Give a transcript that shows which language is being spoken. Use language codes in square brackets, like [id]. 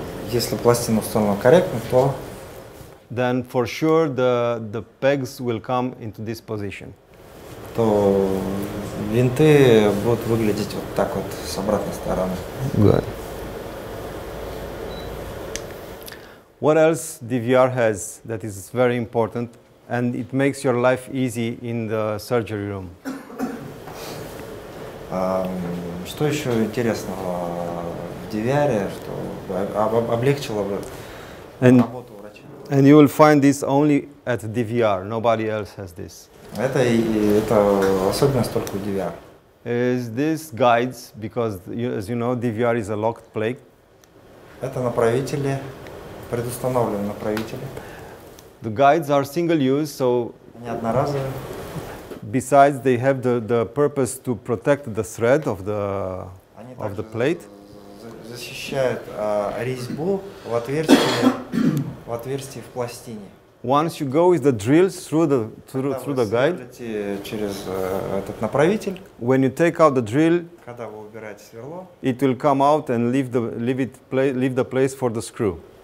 [ru] Если пластина установлена корректно, то [en] then for sure the pegs will come into this position. [ru] То винты будут выглядеть вот так вот с обратной стороны. [en] Good. What else DVR has that is very important and it makes your life easy in the surgery room? [ru] Что еще интересного в DVR, что облегчило бы работу врача? [en] And you will find this only at DVR. Nobody else has this. [ru] Это особенность только DVR. [en] Is this guides because you, as you know, DVR is a locked plate. [ru] Это направители, предустановлены направители. [en] The guides are single use, so [ru] не одноразовые. [en] Besides, they have the purpose to protect the thread of the [ru] Они [en] of the plate. [ru] Защищают резьбу в отверстии в пластине. [en] Once you go with the drills through the guide, [ru] через этот направитель, [en] when you take out the drill, [ru] когда вы убираете сверло, [en] it will come out and leave the place for the screw.